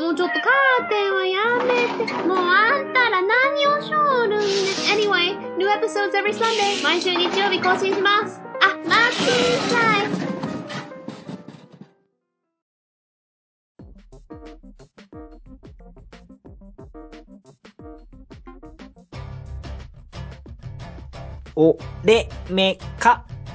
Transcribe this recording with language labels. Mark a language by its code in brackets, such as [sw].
[ja] もうちょっとカーテンはやめて。もうあんたら何をしょるんね。 [en] Anyway, new episodes every Sunday! [ja] 毎週日曜日更新します。あ、待ってください。おれめか、